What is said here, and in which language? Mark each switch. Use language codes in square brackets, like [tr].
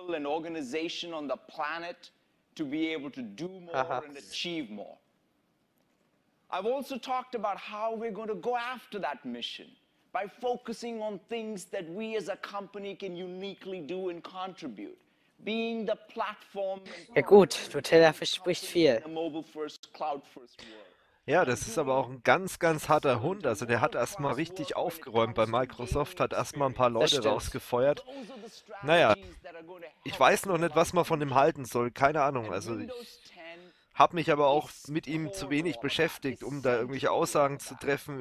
[en] An organization on the planet to be able to do more and achieve more. I've also talked about how we're going to go after that mission by focusing on things that we as a company can uniquely do and contribute. Being the platform. [de] Ja gut, Totella verspricht viel. [en] Mobile first, cloud first world. [de] Ja, das ist aber auch ein ganz, ganz harter Hund. Also der hat erstmal richtig aufgeräumt bei Microsoft, hat erstmal ein paar Leute rausgefeuert. Naja, ich weiß noch nicht, was man von ihm halten soll. Keine Ahnung. Also ich habe mich aber auch mit ihm zu wenig beschäftigt, um da irgendwelche Aussagen zu treffen.